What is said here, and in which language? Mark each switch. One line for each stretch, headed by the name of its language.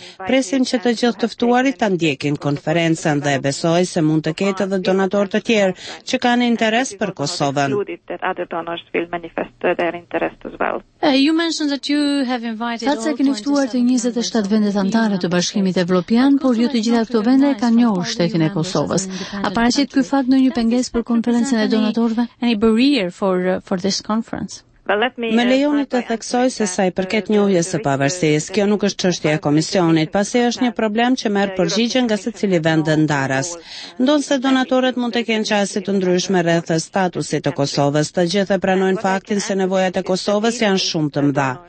Albanian: Presim që të gjithë tëftuarit të ndjekin konferencen dhe besoj se mund të ketë edhe donator të tjerë që kanë interes për Kosovën. Thatë se keni ftuar të 27 vendet antare të Bashkimit Evropian, por ju të gjitha këto vende e kanë njohur shtetin e Kosovës. A paraqit ky fakt në një penges për konferencen e donatorve?
English: Any barrier for this conference?
Albanian: Me lejoni të theksoj se sa i përket njohjes së pavarësisë, kjo nuk është çështje e komisionit, pasi është një problem që merr përgjigjen nga secili vend dendaras. Ndonse donatorët mund të kenë çështje të ndryshme rreth statusit të Kosovës, të gjithë e pranojnë faktin se nevojat e Kosovës janë shumë të mëdha.